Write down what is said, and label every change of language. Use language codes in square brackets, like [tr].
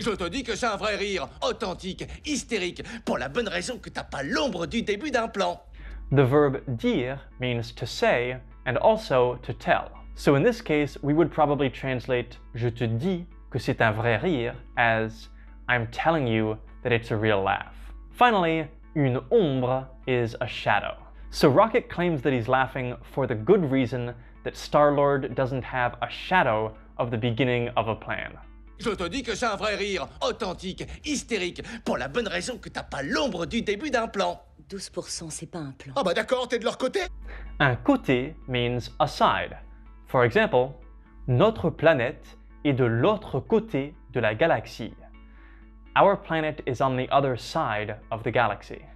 [fr] Je te dis que c'est un vrai rire, authentique, hystérique, pour la bonne raison que t'as pas l'ombre du début d'un plan. [en] The verb dire means to say and also to tell. So in this case, we would probably translate [fr] je te dis que c'est un vrai rire [en] as I'm telling you that it's a real laugh. Finally, une ombre is a shadow. So Rocket claims that he's laughing for the good reason that Star-Lord doesn't have a shadow of the beginning of a plan. [fr] Je te dis que c'est un vrai rire, authentique, hystérique, pour la bonne raison que t'as pas l'ombre du début d'un plan. 12%, c'est pas un plan. Ah bah d'accord, t'es de leur côté. Un côté [en] means a side. For example, [fr] notre planète est de l'autre côté de la galaxie. [en] Our planet is on the other side of the galaxy.